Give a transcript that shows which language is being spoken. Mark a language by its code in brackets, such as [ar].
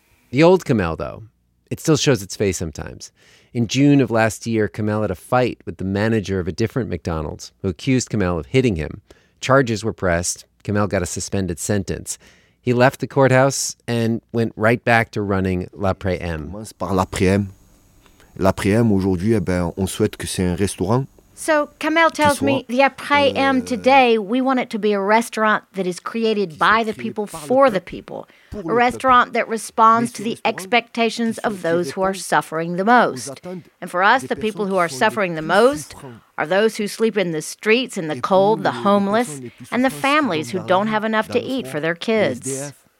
[en] The old Kamel, though, it still shows its face sometimes. In June of last year, Kamel had a fight with the manager of a different McDonald's who accused Kamel of hitting him. Charges were pressed. Kamel got a suspended sentence. He left the courthouse and went right back to running La Préhème. [fr] On commence par La Préhème. La Préhème, aujourd'hui, eh ben, on souhaite que c'est un restaurant. [en] So Kamel tells me the Après M today, we want it to be a restaurant that is created by the people for the people. A restaurant that responds to the expectations of those who are suffering the most. And for us, the people who are suffering the most are those who sleep in the streets, in the cold, the homeless, and the families who don't have enough to eat for their kids.